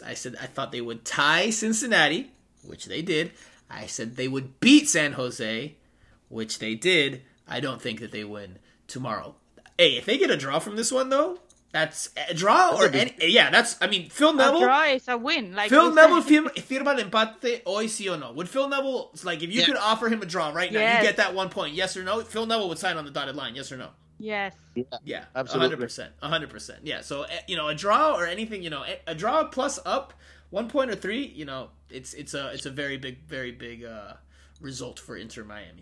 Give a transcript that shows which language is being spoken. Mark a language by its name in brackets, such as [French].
[English] I said I thought they would tie Cincinnati, which they did. I said they would beat San Jose, which they did. I don't think that they win tomorrow. Hey, if they get a draw from this one, though, that's a draw or any. Yeah, that's, I mean, Phil Neville. A draw is a win. [Spanish] Like Phil Neville firma el empate hoy, sí o no? [English] Would Phil Neville, like, if you could offer him a draw right now, you get that 1 point, yes or no? Phil Neville would sign on the dotted line, yes or no? Yes. Yeah. Absolutely. 100%. 100%. Yeah. So you know, a draw or anything, you know, a draw plus up 1 point or three, you know, it's a very big result for Inter Miami.